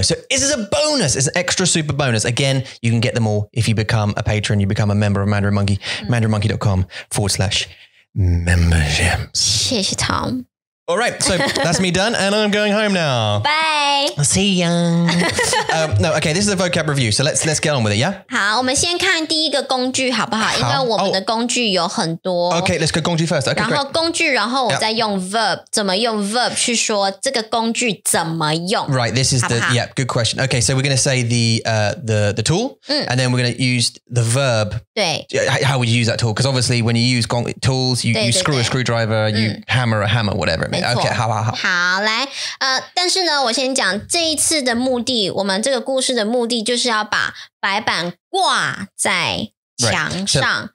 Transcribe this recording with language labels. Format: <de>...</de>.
<en>So this is a bonus. It's an extra super bonus. Again, you can get them all if you become a patron, you become a member of Mandarin Monkey, mandarinmonkey.com/memberships.</en> <zh>谢谢 Tom.</zh> <en>All right, so that's me done and I'm going home now. Bye. See ya. No, okay, this is a vocab review, so let's get on with it, yeah?</en> <zh>好,我们先看第一个工具好不好?因为我们的工具有很多。</zh> <en>Okay, let's go 工具 first. Okay,</en> <zh>然后工具,然后我再用 verb, 怎么用 verb 去说这个工具怎么用。</zh> <en>Right, this is the, yeah, good question. Okay, so we're going to say the tool, and then we're going to use the verb.</en> <zh>对。</zh> <en>How would you use that tool? Because obviously when you use tools, you screw a screwdriver, you hammer a hammer, whatever.</en> <zh>Okay, 好好好。好，来，但是呢，我先讲这一次的目的，我们这个故事的目的就是要把白板挂在墙上。</zh>